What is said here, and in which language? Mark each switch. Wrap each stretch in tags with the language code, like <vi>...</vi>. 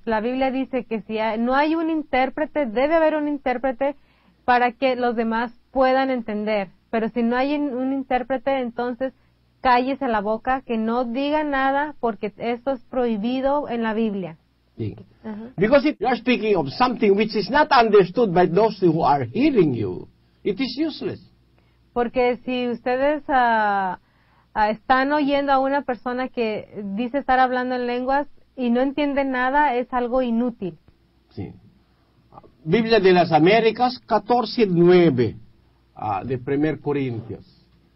<es>La Biblia dice que si no hay un intérprete, debe haber un intérprete para que los demás puedan entender. Pero si no hay un intérprete, entonces cállese la boca, que no diga nada, porque esto es prohibido en la Biblia.</es> <en>Because if you are speaking of something which is not understood by those who are hearing you, it is useless.</en> <es>Porque si ustedes están oyendo a una persona que dice estar hablando en lenguas y no entiende nada, es algo inútil. Sí. Biblia de las Américas 14:9 de 1 Corintios.</es>